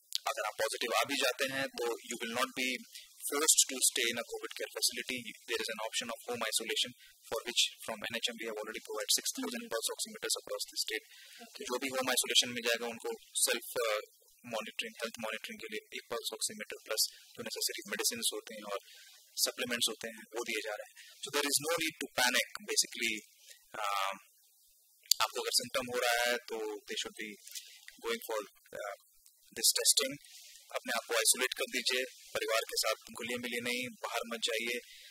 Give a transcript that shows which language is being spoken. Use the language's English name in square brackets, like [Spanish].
[Hindi] अगर आप पॉजिटिव आ भी जाते हैं तो [English] You will not be forced to stay in a covid care facility, there is an option of home isolation for which from NHM we have already provided 6,000 pulse oximeters across the state. Okay. [Hindi] जो भी home isolation में जाएगा उनको self monitoring, health monitoring के लिए एक pulse oximeter plus जो necessary medicines होते हैं और supplements होते हैं वो दिए जा रहे हैं। [English] So there is no need to panic basically. [Hindi] आपको अगर symptom हो रहा है तो [English] they should be going for this testing. [Hindi] अपने आप को isolate कर दीजिए, परिवार के साथ घुलिए मिलिए नहीं, बाहर मत जाइए।